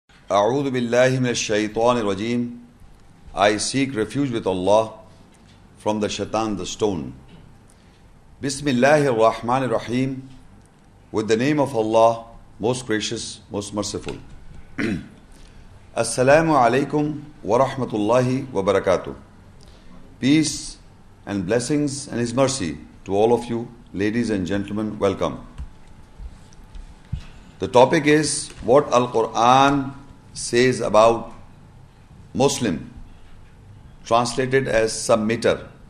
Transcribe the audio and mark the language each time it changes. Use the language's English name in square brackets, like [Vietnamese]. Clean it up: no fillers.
[Arabic] أعوذ بالله من الشيطان الرجيم. [English] I seek refuge with Allah from the Shaitan, the stone. [Arabic] بسم الله الرحمن الرحيم. [English] With the name of Allah, most gracious, most merciful. [Arabic] السلام عليكم ورحمة الله وبركاته. [English] Peace and blessings and His mercy to all of you, ladies and gentlemen, welcome. The topic is what Al-Quran says about Muslim, translated as submitter.